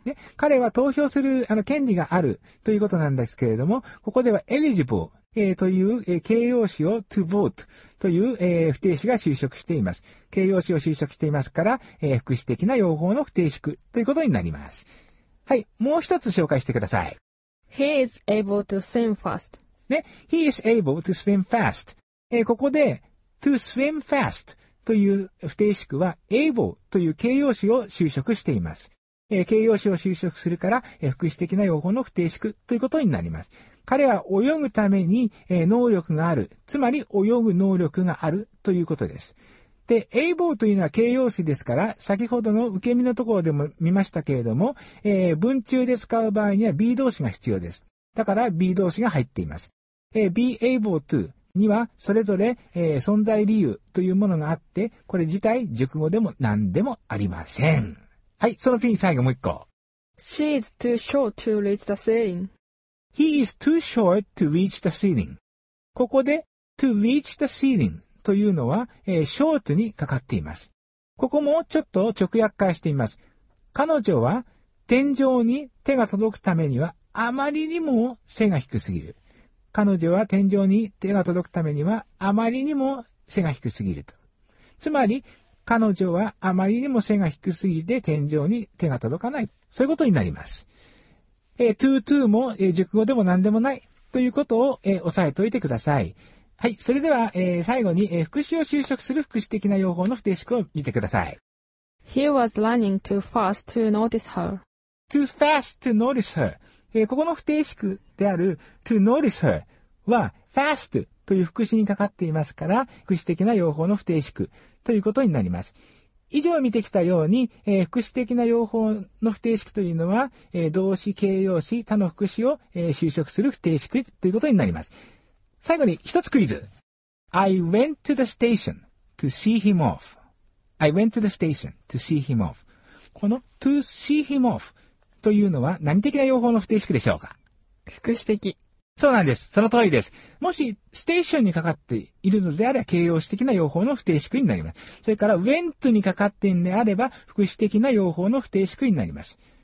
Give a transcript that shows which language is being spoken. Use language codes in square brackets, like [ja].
[ja] ね、彼は投票する権利があるということなんですけれども、ここでは eligible、という、形容詞を to vote という、不定詞が修飾しています。形容詞を修飾していますから、副詞的な用法の不定詞ということになります。はい、もう一つ紹介してください。 [en] He is able to swim fast.、ね、He is able to swim fast.、 [ja] ここで [en] to swim fast. [ja] という不定式は able という形容詞を修飾しています。形容詞を修飾するから、副詞的な用法の不定式ということになります。彼は泳ぐために、能力がある。つまり泳ぐ能力があるということです。で、able というのは形容詞ですから、先ほどの受け身のところでも見ましたけれども、文中で使う場合には be 動詞が必要です。だから be 動詞が入っています。be able to にはそれぞれ、存在理由というものがあって、これ自体熟語でも何でもありません。はい、その次に最後もう一個。 [en] She is too short to reach the ceiling. He is too short to reach the ceiling. [ja] ここで [en] to reach the ceiling [ja] というのは、short にかかっています。ここもちょっと直訳化してみます。彼女は天井に手が届くためにはあまりにも背が低すぎる。彼女は天井に手が届くためにはあまりにも背が低すぎると。つまり、彼女はあまりにも背が低すぎて天井に手が届かない。そういうことになります。 to も、熟語でも何でもないということを、押さえておいてください。はい、それでは、最後に、副詞を修飾する副詞的な用法の不定式を見てください。 [en] He was running too fast to notice her. Too fast to notice her. [ja] ここの不定式である [en] to notice her [ja] は fast という副詞にかかっていますから、副詞的な用法の不定式ということになります。以上見てきたように、副詞的な用法の不定式というのは、動詞、形容詞、他の副詞を、修飾する不定式ということになります。最後に一つクイズ。 [en] I went to the station to see him off. I went to the station to see him off. [ja] この to see him off というのは何的な用法の不定式でしょうか？副詞的。そうなんです。その通りです。もし、ステーションにかかっているのであれば、形容詞的な用法の不定式になります。それから、went にかかっているのであれば、副詞的な用法の不定式になります。